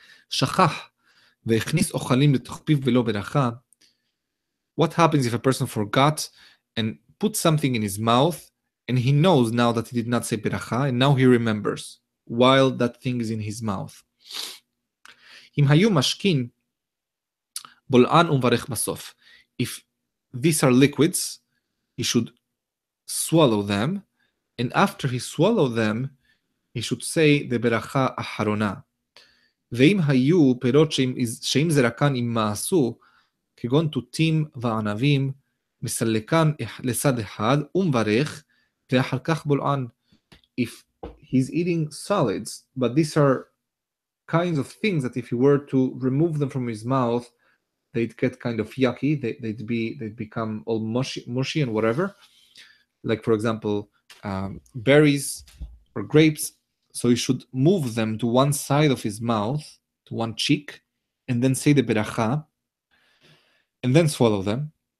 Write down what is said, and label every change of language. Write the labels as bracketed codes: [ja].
[he] שכח והכניס אוכלים לתוך פיו ולא ברכה. [en] What happens if a person forgot and put something in his mouth and he knows now that he did not say ברכה and now he remembers while that thing is in his mouth. [he] אם היו משקין בולען ומברך בסוף. [en] If these are liquids, he should swallow them and after he swallowed them, he should say the ברכה אחרונה. [he] ואם היו פירות שאם זרקן אם מעשו, כגון תותים וענבים, מסלקן לצד אחד ומברך, ואחר כך בולען. [en] If he's eating solids, but these are kinds of things that if he were to remove them from his mouth, they'd get kind of yucky, they'd become all mushy and whatever. Like for example, berries or grapes, so he should move them to one side of his mouth, to one cheek, and then say the beracha, and then swallow them.